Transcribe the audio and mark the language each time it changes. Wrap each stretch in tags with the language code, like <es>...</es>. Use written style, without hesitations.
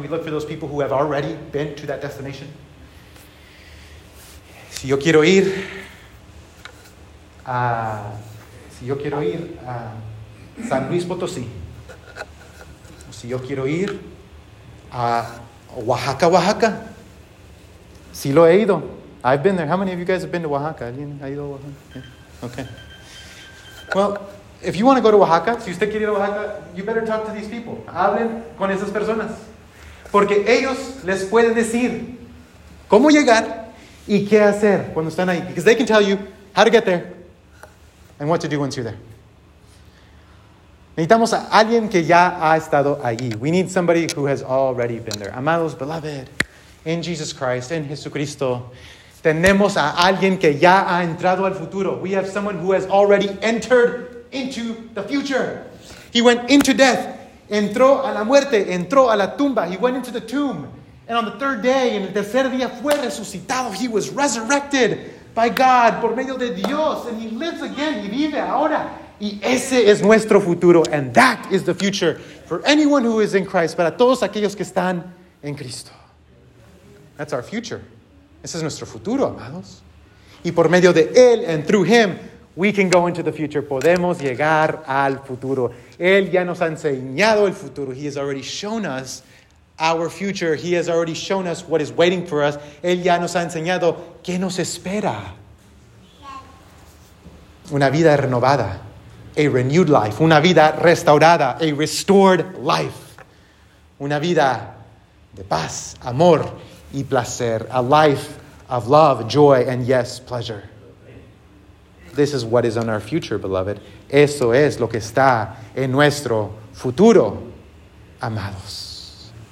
<en>We look for those people who have already been to that destination.</en> <es>Si yo quiero ir a San Luis Potosí, si yo quiero ir a Oaxaca, Sí lo he ido.</es> <en>I've been there. How many of you guys have been to Oaxaca?</en> <es>¿Alguien ha ido a Oaxaca?</es> <en>Okay. Well, if you want to go to Oaxaca,</en> <es>si usted quiere ir a Oaxaca,</es> <en>you better talk to these people.</en> <es>Hablen con esas personas. Porque ellos les pueden decir cómo llegar y qué hacer cuando están ahí.</es> <en>Because they can tell you how to get there and what to do once you're there.</en> <es>Necesitamos a alguien que ya ha estado allí.</es> <en>We need somebody who has already been there. Amados, beloved, in Jesus Christ, in Jesucristo,</en> <es>tenemos a alguien que ya ha entrado al futuro.</es> <en>We have someone who has already entered into the future. He went into death.</en> <es>Entró a la muerte. Entró a la tumba.</es> <en>He went into the tomb. And on the third day,</en> <es>en el tercer día, fue resucitado.</es> <en>He was resurrected by God,</en> <es>por medio de Dios.</es> <en>And he lives again.</en> <es>Y vive ahora. Y ese es nuestro futuro,</es> <en>and that is the future for anyone who is in Christ,</en> <es>para todos aquellos que están en Cristo.</es> <en>That's our future.</en> <es>Ese es nuestro futuro, amados. Y por medio de Él,</es> <en>and through Him, we can go into the future.</en> <es>Podemos llegar al futuro. Él ya nos ha enseñado el futuro.</es> <en>He has already shown us our future. He has already shown us what is waiting for us.</en> <es>Él ya nos ha enseñado qué nos espera. Una vida renovada.</es> <en>A renewed life,</en> <es>una vida restaurada,</es> <en>a restored life,</en> <es>una vida de paz, amor y placer,</es> <en>a life of love, joy, and yes, pleasure. This is what is on our future, beloved.</en> <es>Eso es lo que está en nuestro futuro, amados.</es>